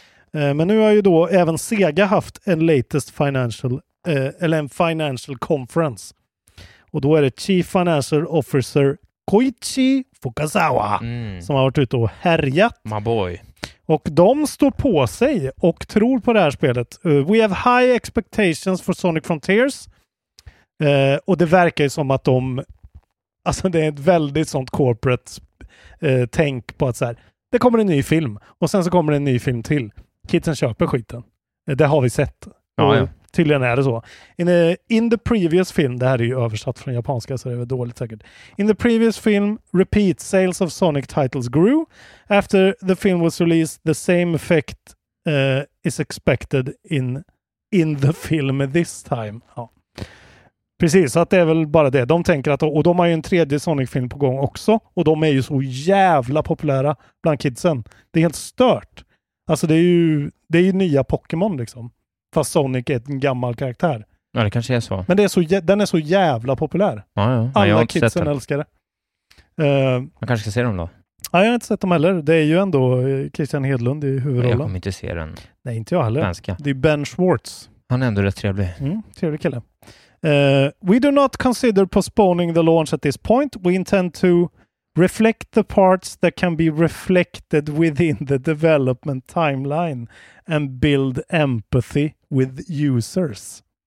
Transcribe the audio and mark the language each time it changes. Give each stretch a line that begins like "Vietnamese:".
Swedish: Men nu har ju då även Sega haft en
English: latest financial
Swedish: eller en
English: financial conference.
Swedish: Och då är det Chief Financial Officer Koichi Fukasawa som har varit ute och härjat.
English: My boy.
Swedish: Och de står på sig och tror på det här spelet.
English: We have high expectations for Sonic Frontiers.
Swedish: Och det verkar ju som att de... Alltså det är ett väldigt sånt corporate tänk på att så här, det kommer en ny film och sen så kommer en ny film till. Kidsen köper skiten. Det har vi sett. Ja, ja. Tydligen är det så.
English: In the previous film,
Swedish: det här är ju översatt från japanska så det är väl dåligt säkert.
English: In the previous film, repeat sales of Sonic titles grew. After the film was released, the same effect is expected in the film this time.
Swedish: Ja. Precis, så att det är väl bara det. De tänker att, och de har ju en tredje Sonic-film på gång också. Och de är ju så jävla populära bland kidsen. Det är helt stört. Alltså det är ju nya Pokémon liksom. Fast Sonic är en gammal karaktär. Ja, det kanske är så. Men det är så, den är så jävla populär. Ja, ja. Alla kidsen älskar det. Man kanske ska se dem då? Ja, jag har inte sett dem heller. Det är ju ändå Christian Hedlund i huvudrollen. Jag kommer inte se den. Nej, inte jag heller. Svenska. Det är Ben Schwartz. Han är ändå rätt trevlig. Mm, trevlig kille.
English: We do not consider postponing the launch at this point. We intend to reflect the parts that can be reflected within the development timeline and build empathy with users.